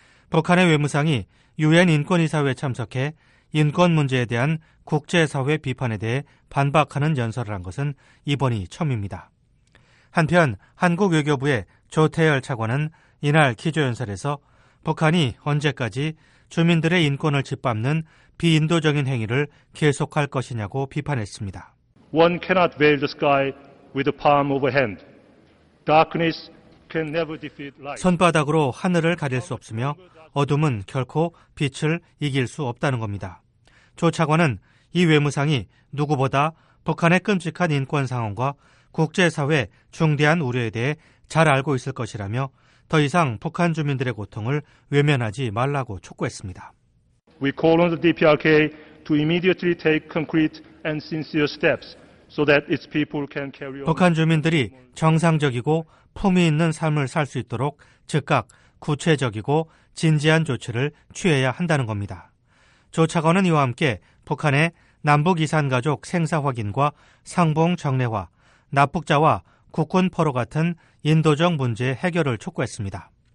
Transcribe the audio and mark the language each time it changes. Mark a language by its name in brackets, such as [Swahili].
[Korean] 북한의 외무상이 유엔 인권이사회에 참석해 인권 문제에 대한 국제사회 비판에 대해 반박하는 연설을 한 것은 이번이 처음입니다. 한편 한국 외교부의 조태열 차관은 이날 기조연설에서 북한이 언제까지 주민들의 인권을 짓밟는 비인도적인 행위를 계속할 것이냐고 비판했습니다. [English] One cannot veil the sky with a palm of a hand. Darkness can never defeat light. [Korean] 손바닥으로 하늘을 가릴 수 없으며 어둠은 결코 빛을 이길 수 없다는 겁니다. 조 차관은 이 외무상이 누구보다 북한의 끔찍한 인권 상황과 국제사회 중대한 우려에 대해 잘 알고 있을 것이라며 더 이상 북한 주민들의 고통을 외면하지 말라고 촉구했습니다. [English] We call on the DPRK to immediately take concrete and sincere steps so that its people can carry on. [Korean] 북한 주민들이 정상적이고 품위 있는 삶을 살 수 있도록 즉각 구체적이고 진지한 조치를 취해야 한다는 겁니다. 조 차관은 이와 함께 북한의 남북 이산가족 생사 확인과 상봉 정례화, 납북자와 국군 포로 같은 인도적 문제 해결을 촉구했습니다.